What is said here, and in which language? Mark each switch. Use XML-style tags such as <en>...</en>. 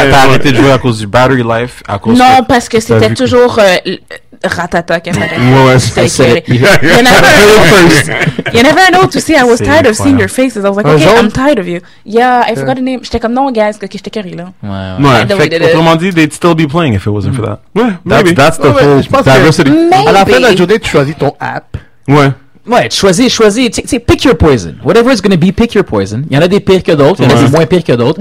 <fr>t'as arrêté de jouer à cause du battery life. Parce que c'était toujours. Ratata qui apparaît. Ouais, c'est ça. Il y en avait un autre aussi.</fr> <en>I was c'est tired of seeing your faces. I was like, okay, I'm tired of you. Yeah, I forgot the name.</en> <fr>J'étais comme, non, guys, que j'étais carré, là.</fr> <en>Ouais.</en> <fr>Fait, autrement dit,</fr> <en>they'd still be playing if it wasn't for that. Ouais, maybe. That's the whole diversity.</en> <fr>À la fin de la journée, tu choisis ton app. Ouais. Ouais, choisis, t'sais,</fr> <en>pick your poison. Whatever it's gonna be, pick your poison.</en> <fr>Il y en a des pires que d'autres, il y en a des moins pires que d'autres.</fr>